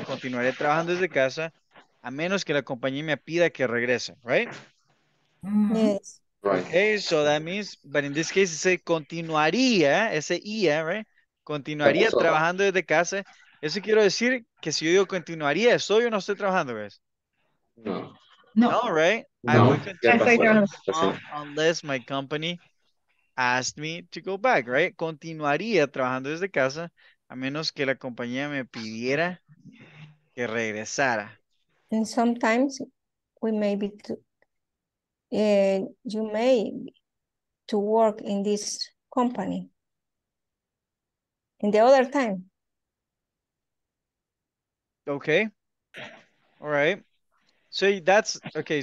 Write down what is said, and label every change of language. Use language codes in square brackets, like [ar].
[es] Continuaré trabajando desde casa, a menos que la compañía me pida que regrese, right? [en] Yes. Okay, so that means, but in this case, it's [es] continuaría, ese ia, [en] right? [es] Continuaría trabajando desde casa. Eso quiero decir que si yo digo continuaría, ¿estoy o no estoy trabajando, guys? No. [en] No, right? No. I would continue unless my company asked me to go back, right? [es] Continuaría trabajando desde casa a menos que la compañía me pidiera que regresara. [en] And sometimes we may be to, you may to work in this company. In the other time. Okay, all right. So that's okay.